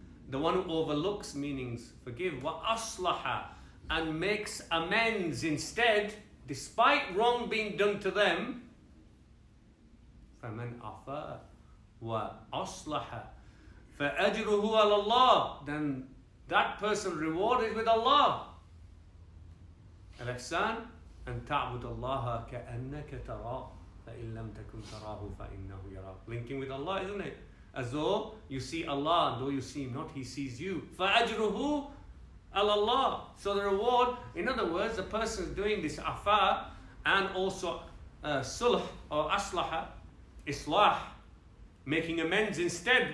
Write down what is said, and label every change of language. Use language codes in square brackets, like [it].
[en] The one who overlooks meanings, forgive, wa aslaha, and makes amends instead, despite wrong being done to them. [ar] فَمَنْ أَفَى وَأَصْلَحَ فَأَجْرُهُ عَلَى اللَّهِ, [en] then that person rewarded with Allah. [ar] الإحسان أن تعبد الله كأنك تراه فإن لم تكن تراه فإنه يراك. [en] Linking with Allah, isn't it? As though you see Allah, though you see Him not, He sees you. [ar] فَأَجْرُهُ عَلَى اللَّهِ. [en] So the reward, in other words, the person is doing this afa and also sulh or aslaha, islah, making amends instead.